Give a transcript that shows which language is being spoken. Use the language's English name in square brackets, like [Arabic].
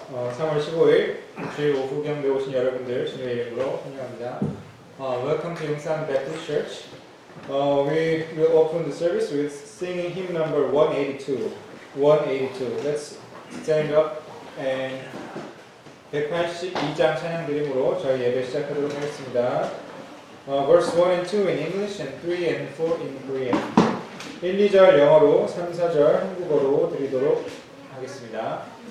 [Korean] 3월 15일 주일 오후 경배 오신 여러분들 주님의 이름으로 환영합니다. [English] Welcome to Yongsan Baptist Church. We will open the service with singing hymn number 182. Let's stand up and [Korean] 182장 찬양 드림으로 저희 예배 시작하도록 하겠습니다. [English] Verse 1 and 2 in English and 3 and 4 in Korean. [Korean] 1, 2절 영어로, 3, 4절 한국어로 드리도록 하겠습니다.